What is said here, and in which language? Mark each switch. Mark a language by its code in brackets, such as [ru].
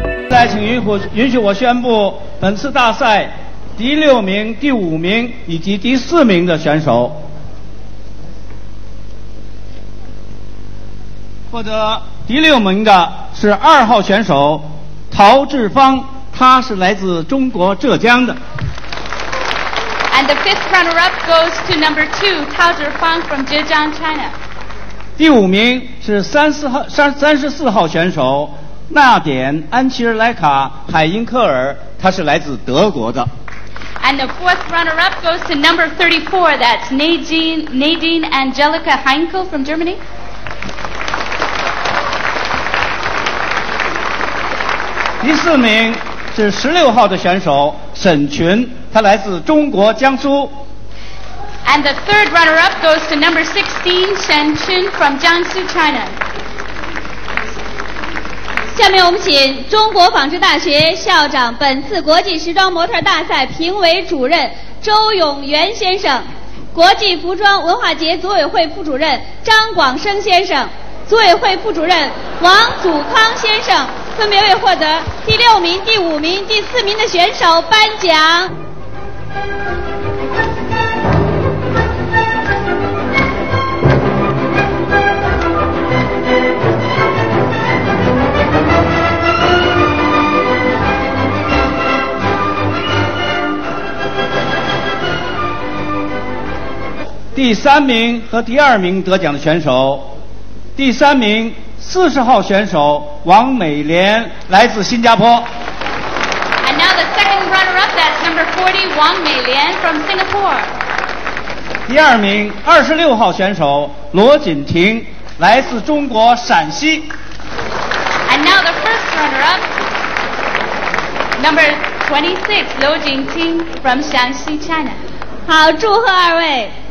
[zh] 再请允许我宣布本次大赛第6名、第5名以及第4名的选手，获得第6名的是2号选手陶志芳，他是来自中国浙江的。 [en] And the fifth runner-up goes to number 2, 陶志芳 from Zhejiang, China. [zh] 第5名是34号选手纳典·安琪尔莱卡·海因克尔，他是来自德国的。 [en] And the fourth runner-up goes to number 34, that's Nadine Angelica Heinkel from Germany. [zh] 第4名是16号的选手沈群，他来自中国江苏。 [en] And the third runner-up goes to number 16, Shen Chun from Jiangsu, China. [zh] 下面我们请中国纺织大学校长、本次国际时装模特大赛评委主任周永元先生、国际服装文化节组委会副主任张广生先生、组委会副主任王祖康先生分别为获得第六名、第五名、第四名的选手颁奖。第三名和第二名得奖的选手，第三名40号选手王美莲，来自新加坡。 [en] And now the second runner up, that's number 40, 王美莲 from Singapore. [zh] 第二名26号选手罗锦婷，来自中国陕西。 [en] And now the first runner up, number 26, 罗锦婷 from 陕西 China. [zh] 好，祝贺二位。